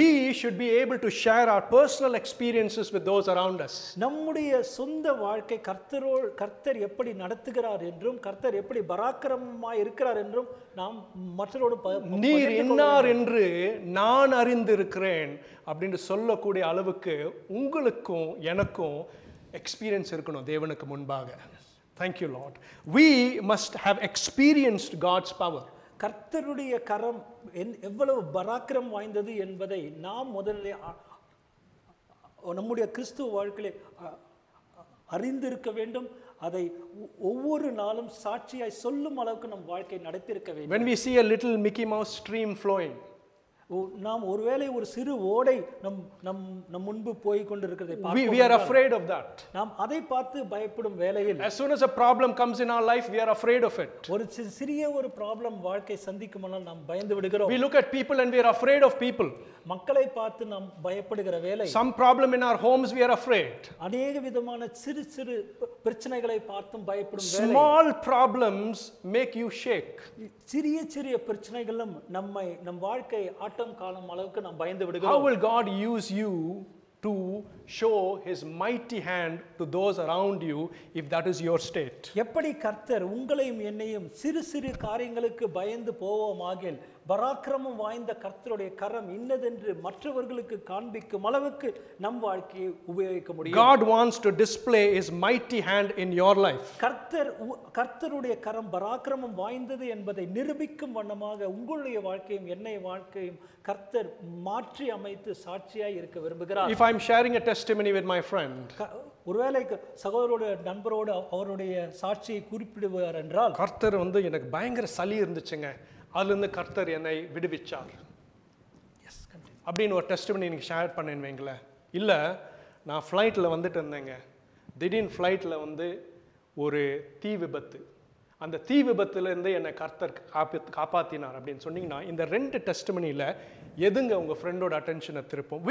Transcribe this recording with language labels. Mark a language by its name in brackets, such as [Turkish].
[English] We should be able to share our personal experiences with those around us. [Tamil] நம்முடைய சொந்த வாழ்க்கை கர்த்தர் எப்படி நடத்துகிறார் என்றும் கர்த்தர் எப்படி பராக்கிரமமாய் இருக்கிறார் என்றும் நாம் மற்றவர்களோடு நீர் என்னார் என்று நான் அறிந்திருக்கிறேன் அப்படின்னு சொல்லக்கூடிய அளவுக்கு உங்களுக்கும் எனக்கும் எக்ஸ்பீரியன்ஸ் இருக்கணும் தேவனுக்கு முன்பாக. [English] Thank you, Lord. We must have experienced God's power. [Tamil] கர்த்தருடைய கரம் எவ்வளவு பராக்கிரம் வாய்ந்தது என்பதை நாம் முதலிலே நம்முடைய கிறிஸ்துவ வாழ்க்கையில் அறிந்திருக்க வேண்டும். அதை ஒவ்வொரு நாளும் சாட்சியாய் சொல்லும் அளவுக்கு நம் வாழ்க்கை நடத்திருக்க வேண்டும். [English] When we see a little Mickey Mouse stream flowing, [Tamil] நாம் ஒருவேளை ஒரு சிறு ஓடை நம் முன்பு போய் கொண்டிருக்கிறதை பார்க்கும்போது, [English] we are afraid of that. [Tamil] நாம் அதை பார்த்து பயப்படும் வேளையில், [English] as soon as a problem comes in our life, we are afraid of it. [Tamil] ஒரு சிறிய ஒரு problem வாழ்க்கை சந்திக்குமானால் நாம் பயந்து விடுகிறோம். [English] We look at people and we are afraid of people. [Tamil] மக்களை பார்த்து நாம் பயப்படுகிற வேளையில், [English] some problem in our homes, we are afraid. [Tamil] அநேக விதமான சிறு சிறு பிரச்சனைகளை பார்த்தும் பயப்படும் வேளையில், [English] small problems make you shake. [Tamil] சிறிய சிறிய பிரச்சனைகளும் நம்மை நம் வாழ்க்கை ஆட்டம் காலம் அளவுக்கு நாம் பயந்து விடுகிறோம். [English] How will God use you to show his mighty hand to those around you if that is your state? [Tamil] எப்படி கர்த்தர் உங்களையும் என்னையும் சிறு சிறு காரியங்களுக்கு பயந்து போவோமாகில் பராக்கிரமம் வாய்ந்த கர்த்தருடைய கரம் இன்னதென்று மற்றவர்களுக்கு காண்பிக்கும் அளவுக்கு நம் வாழ்க்கையை உபயோகிக்க முடியும். [English] God wants to display his mighty hand in your life. [Tamil] கர்த்தருடைய கரம் பராக்கிரமம் வாய்ந்தது என்பதை நிரூபிக்கும் வண்ணமாக உங்களுடைய வாழ்க்கையும் என்னை வாழ்க்கையும் கர்த்தர் மாற்றி அமைத்து சாட்சியாய் இருக்க விரும்புகிறார். [English] If I'm sharing a testimony with my friend, [Tamil] ஒருவேளை சகோதரோட நண்பரோட அவருடைய சாட்சியை குறிப்பிடுவார் என்றால், கர்த்தர் வந்து எனக்கு பயங்கர சளி இருந்துச்சுங்க, அதுலேருந்து கர்த்தர் என்னை விடுவிச்சார் அப்படின்னு ஒரு டெஸ்டிமனி நீங்கள் ஷேர் பண்ணேன்னு வைங்களேன். இல்லை, நான் ஃப்ளைட்டில் வந்துட்டு இருந்தேங்க, திடீர்னு ஃப்ளைட்டில் வந்து ஒரு தீ விபத்து, அந்த தீ விபத்துலேருந்து என்னை கர்த்தர் காப்பாற்றினார் அப்படின்னு சொன்னீங்கன்னா, இந்த ரெண்டு டெஸ்டிமனியில் எதுங்க உங்கள் ஃப்ரெண்டோட அட்டென்ஷனை திருப்போம்?